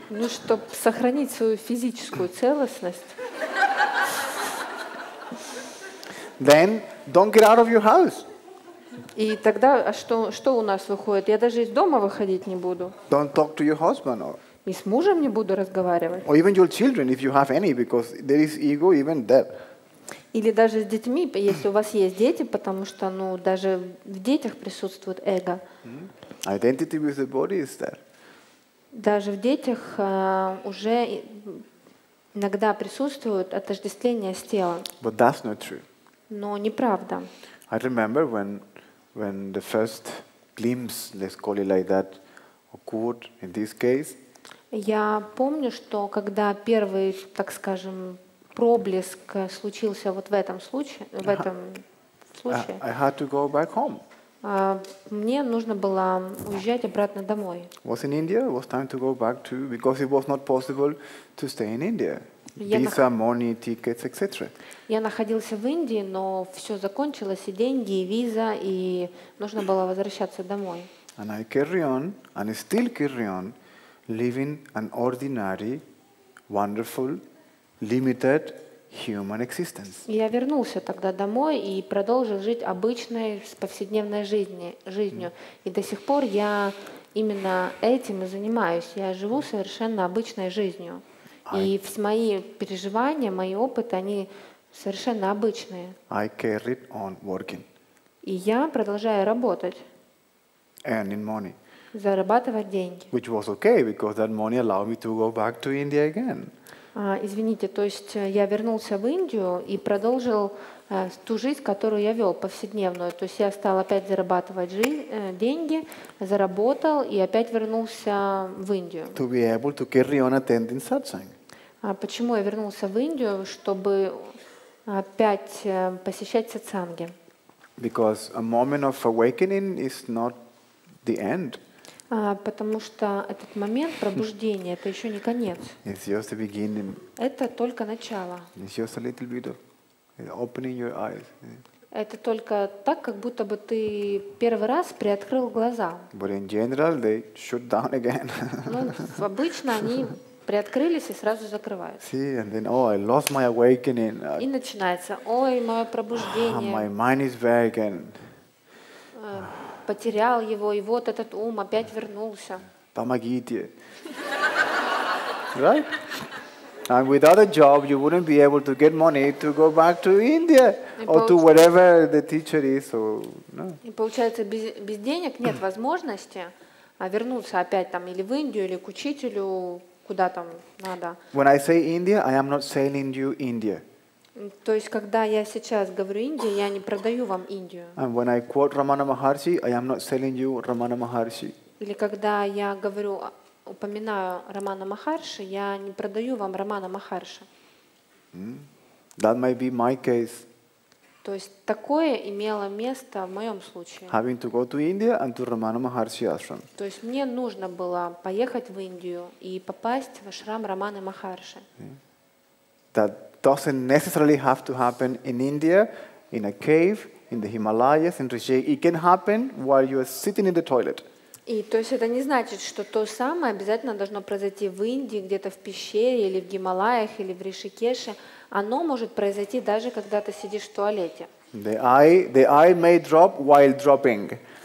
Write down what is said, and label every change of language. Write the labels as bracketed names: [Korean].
[Russian] Ну, чтобы сохранить свою физическую целостность. [English] Then don't get out of your house. [Russian] И тогда, а что у нас выходит? Я даже из дома выходить не буду. [English] Don't talk to your husband. [Russian] И с мужем не буду разговаривать. [English] Or even your children, if you have any, because there is ego even there. [Russian] Или даже с детьми, если у вас есть дети, потому что, ну, даже в детях присутствует эго. [English] Identity with the body is there. [Russian] Даже в детях уже иногда присутствует отождествление с телом. [English] But that's not true. [Russian] Но неправда. [English] I remember when the first glimpse, let's call it like that, occurred in this case. [Russian] Я помню, что когда первый, так скажем, проблеск случился вот в этом случае, в этом случае. [English] I had to go back home. [Russian] Мне нужно было уезжать обратно домой. [English] Was in India. It was time to go back to because it was not possible to stay in India. Visa, money, tickets, etc. [Russian] Я находился в Индии, но все закончилось, и деньги, и виза, и нужно было возвращаться домой. [English] And I carry on, and I still carry on, living an ordinary, wonderful, limited human existence. [Russian] Я вернулся тогда домой и продолжил жить обычной, повседневной жизнью. И до сих пор я именно этим и занимаюсь. Я живу совершенно обычной жизнью. И мои переживания, мои опыты, они совершенно обычные. [English] I carry on working. [Russian] И я продолжаю работать. [English] Earning money. [Russian] Зарабатывать деньги. [English] Which was okay, because that money allowed me to go back to India again. [Russian] Извините, то есть я вернулся в Индию и продолжил ту жизнь, которую я вел, повседневную. То есть я стал опять зарабатывать деньги, заработал и опять вернулся в Индию. [English] To be able to carry on attending satsang. [Russian] Почему я вернулся в Индию? Чтобы опять посещать сатсанги. [English] Because a moment of awakening is not the end. [Russian] Потому что этот момент пробуждения это еще не конец. [English] It's just the beginning. [Russian] Это только начало. [English] It's just a little bit of opening your eyes. [Russian] Это только так, как будто бы ты первый раз приоткрыл глаза. [English] But in general, they shut down again. [Russian] Ну, обычно они приоткрылись и сразу закрывают. [English] See, and then, oh, I lost my awakening. [Russian] И начинается, ой, мое пробуждение. [English] My mind is vacant. [Russian] Потерял его, и вот этот ум опять вернулся. Помогите. [English] Right? And without a job, you wouldn't be able to get money to go back to India or to wherever the teacher is. Or, no. [Russian] И получается, без денег нет возможности вернуться опять там или в Индию, или к учителю, куда там надо. [English] When I say India, I am not selling you India. [Russian] То есть, когда я сейчас говорю Индия, я не продаю вам Индию. [English] And when I quote Ramana Maharshi, I am not selling you Ramana Maharshi. [Russian] Или когда я говорю, упоминаю Рамана Махарши, я не продаю вам Рамана Махарши. [English] That might be my case. [Russian] То есть, такое имело место в моем случае. [English] Having to go to India and to Ramana Maharshi ashram. [Russian] То есть, мне нужно было поехать в Индию и попасть в ашрам Раманы Махарши. [English] That doesn't necessarily have to happen in India, in a cave, in the Himalayas, in Rishikesh. It can happen while you are sitting in the toilet. [Russian] И то есть это не значит, что то самое обязательно должно произойти в Индии, где-то в пещере или в Гималаях или в Ришикеше. Оно может произойти даже когда ты сидишь в туалете. [English] The eye may drop while dropping.